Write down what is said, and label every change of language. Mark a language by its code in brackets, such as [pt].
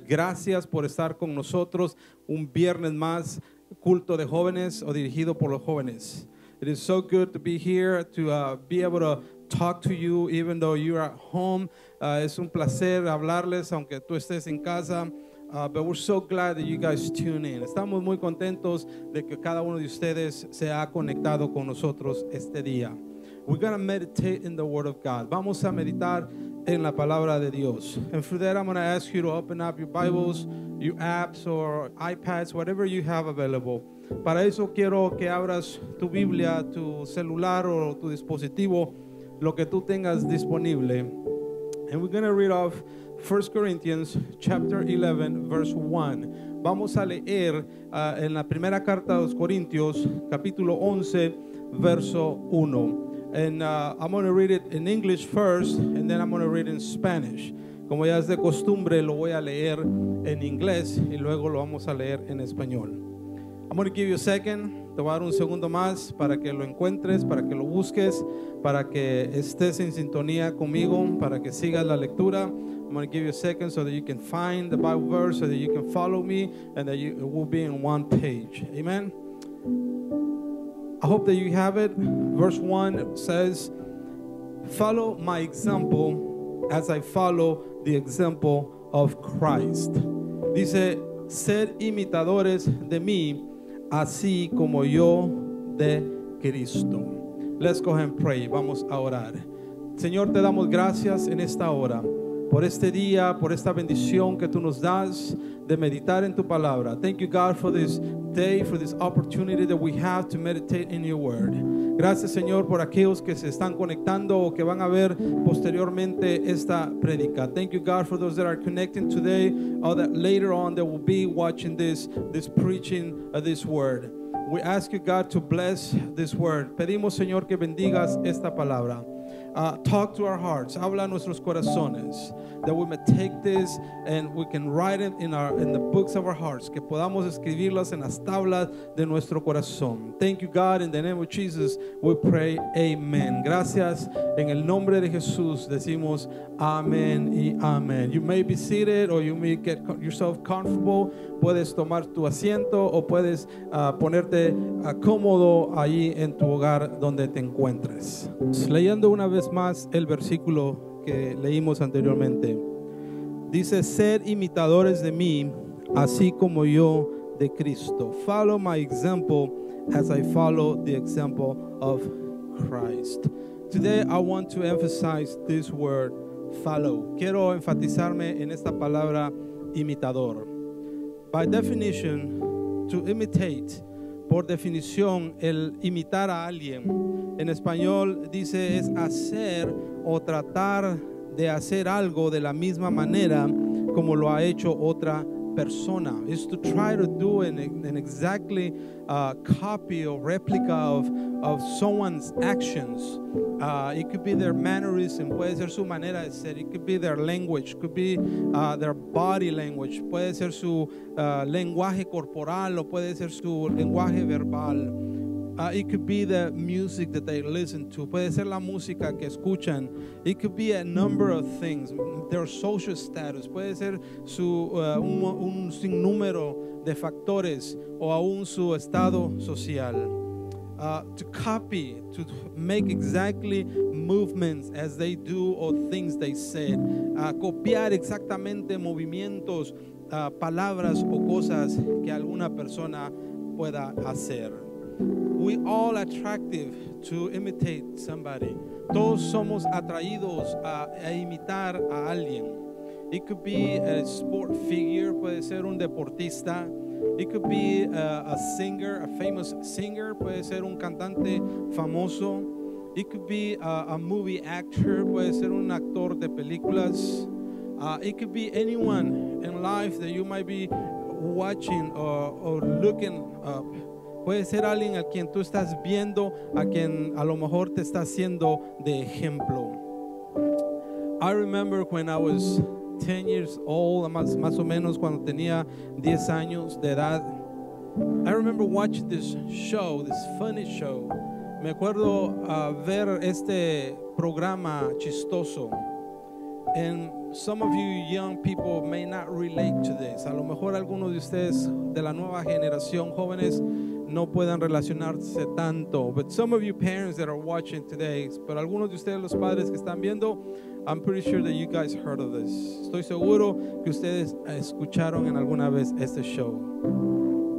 [es] Gracias por estar con nosotros un viernes más, culto de jóvenes o dirigido por los jóvenes. [en] It is so good to be here to be able to talk to you even though you are at home. [es] Es un placer hablarles aunque tú estés en casa. [en] But we're so glad that you guys tune in. [es] Estamos muy contentos de que cada uno de ustedes se ha conectado con nosotros este día. [en] We're going to meditate in the Word of God. [es] Vamos a meditar en la palabra de Dios. [en] And for that, I'm going to ask you to open up your Bibles, your apps or iPads, whatever you have available. [es] Para eso quiero que abras tu Biblia, tu celular o tu dispositivo, lo que tú tengas disponible. [en] And we're going to read off 1 Corinthians chapter 11, verse 1. [es] Vamos a leer en la primera carta de los Corintios, capítulo 11, verso 1. [en] And I'm going to read it in English first, and then I'm going to read it in Spanish. [es] Como ya es de costumbre, lo voy a leer en inglés y luego lo vamos a leer en español. [en] I'm going to give you a second. [es] Te voy a dar un segundo más para que lo encuentres, para que lo busques, para que estés en sintonía conmigo, para que sigas la lectura. [en] I'm going to give you a second so that you can find the Bible verse, so that you can follow me, and that it will be in one page. Amen. I hope that you have it. Verse 1 says, follow my example as I follow the example of Christ. [es] Dice, ser imitadores de mí, así como yo de Cristo. [en] Let's go ahead and pray. [es] Vamos a orar. Señor, te damos gracias en esta hora, por este día, por esta bendición que tú nos das de meditar en tu palabra. [en] Thank you, God, for this day, for this opportunity that we have to meditate in your word. [es] Gracias, Señor, por aquellos que se están conectando o que van a ver posteriormente esta predica. [en] Thank you, God, for those that are connecting today or that later on they will be watching this preaching of this word. We ask you, God, to bless this word. [es] Pedimos, Señor, que bendigas esta palabra. [en] Talk to our hearts. [es] Habla a nuestros corazones. [en] That we may take this and we can write it in the books of our hearts. [es] Que podamos escribirlas en las tablas de nuestro corazón. [en] Thank you, God. In the name of Jesus, we pray. Amen. Gracias. [es] En el nombre de Jesús, decimos amén y amén. [en] You may be seated or you may get yourself comfortable. [es] Puedes tomar tu asiento o puedes ponerte cómodo ahí en tu hogar donde te encuentres. Leyendo una vez más el versículo que leímos anteriormente. Dice, ser imitadores de mí, así como yo de Cristo. [en] Follow my example as I follow the example of Christ. Today I want to emphasize this word, follow. [es] Quiero enfatizarme en esta palabra, imitador. [en] By definition, to imitate, [es] por definición, el imitar a alguien. En español dice es hacer o tratar de hacer algo de la misma manera como lo ha hecho otra persona. [en] It's to try to do an exactly copy or replica of someone's actions. It could be their mannerism, [es] puede ser su manera de ser. [en] It could be their language, could be their body language, [es] puede ser su lenguaje corporal o puede ser su lenguaje verbal. [en] It could be the music that they listen to. [es] Puede ser la música que escuchan. [en] It could be a number of things. Their social status. [es] Puede ser su un sinnúmero de factores o aún su estado social. [en] To copy, to make exactly movements as they do or things they said. [es] Copiar exactamente movimientos, palabras o cosas que alguna persona pueda hacer. [en] We all attractive to imitate somebody. [es] Todos somos atraídos a imitar a alguien. [en] It could be a sport figure, [es] puede ser un deportista. [en] It could be a singer, a famous singer, [es] puede ser un cantante famoso. [en] It could be a movie actor, [es] puede ser un actor de películas. [en] It could be anyone in life that you might be watching or looking up. [es] Puede ser alguien a quien tú estás viendo, a quien a lo mejor te está haciendo de ejemplo. [en] I remember when I was 10 years old, [es] más o menos cuando tenía 10 años de edad. [en] I remember watching this show, this funny show. [es] Me acuerdo ver este programa chistoso. [en] And some of you young people may not relate to this. [es] A lo mejor algunos de ustedes de la nueva generación, jóvenes, no puedan relacionarse tanto. [en] But some of you parents that are watching today, [es] pero algunos de ustedes, los padres que están viendo, [en] I'm pretty sure that you guys heard of this. [es] Estoy seguro que ustedes escucharon en alguna vez este show.